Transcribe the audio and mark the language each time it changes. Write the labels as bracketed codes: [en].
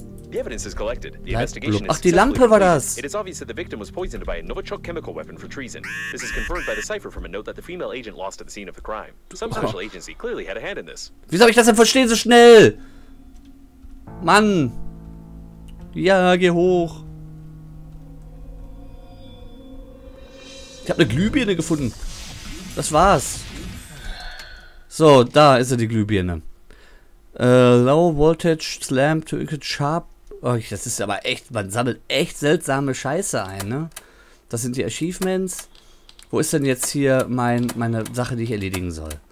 [en] The evidence is collected. The investigation is successfully complete. [de] Ach, die Lampe war das. [en] It is obvious that the victim was poisoned by a Novichok chemical weapon for treason. This is confirmed by the cipher from a note that the female agent lost at the scene of the crime. Some special agency clearly had a hand in this. [de] Wie soll ich das denn verstehen so schnell? Mann. Ja, geh hoch. Ich habe eine Glühbirne gefunden. Das war's. So, da ist ja die Glühbirne. [en] Low voltage slam to increase sharp. [de] Oh, das ist aber echt, man sammelt echt seltsame Scheiße ein, ne? Das sind die Achievements. Wo ist denn jetzt hier meine Sache, die ich erledigen soll?